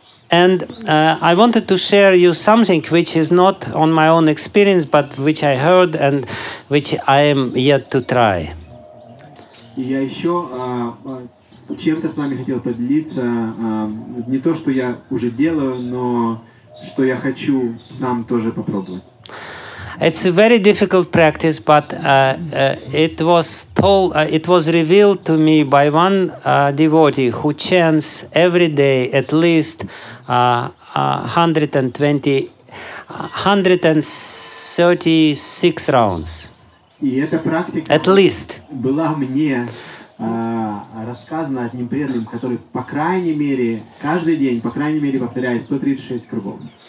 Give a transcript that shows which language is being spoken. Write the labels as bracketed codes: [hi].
[en] And I wanted to share you something which is not on my own experience, but which I heard and which I am yet to try. [ru] Я еще чем-то с вами хотел поделиться, не то, что я уже делаю, но что я хочу сам тоже попробовать. [en] It's a very difficult practice, but it was told, it was revealed to me by one devotee who chants every day at least 136 rounds. [ru] И эта практика [en] at least [ru] была мне рассказано одним преданным, который по крайней мере каждый день, по крайней мере повторяет 136 кругов.